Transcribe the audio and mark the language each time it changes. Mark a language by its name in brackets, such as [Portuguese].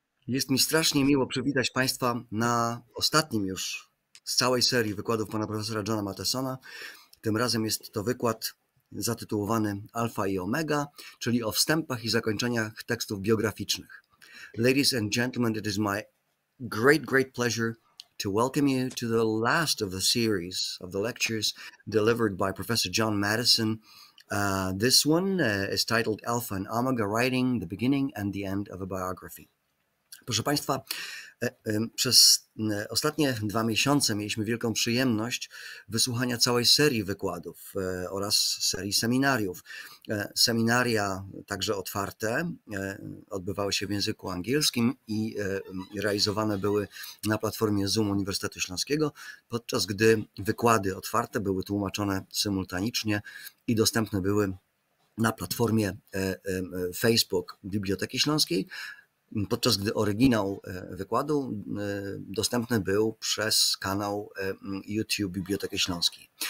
[Polish] Jest mi strasznie miło przywitać Państwa na ostatnim już z całej serii wykładów pana profesora Johna Mattesona. Tym razem jest to wykład zatytułowany Alfa i Omega, czyli o wstępach i zakończeniach tekstów biograficznych. [English] Ladies and gentlemen, it is my great, great pleasure to welcome you to the last of the series of the lectures delivered by Professor John Mattison. This one is titled Alpha and Omega Writing, the Beginning and the End of a Biography. [Polish] Proszę Państwa, przez ostatnie dwa miesiące mieliśmy wielką przyjemność wysłuchania całej serii wykładów oraz serii seminariów. Seminaria, także otwarte, odbywały się w języku angielskim i realizowane były na platformie Zoom Uniwersytetu Śląskiego, podczas gdy wykłady otwarte były tłumaczone symultanicznie i dostępne były na platformie Facebook Biblioteki Śląskiej, podczas gdy oryginał wykładu dostępny był przez kanał YouTube Biblioteki Śląskiej.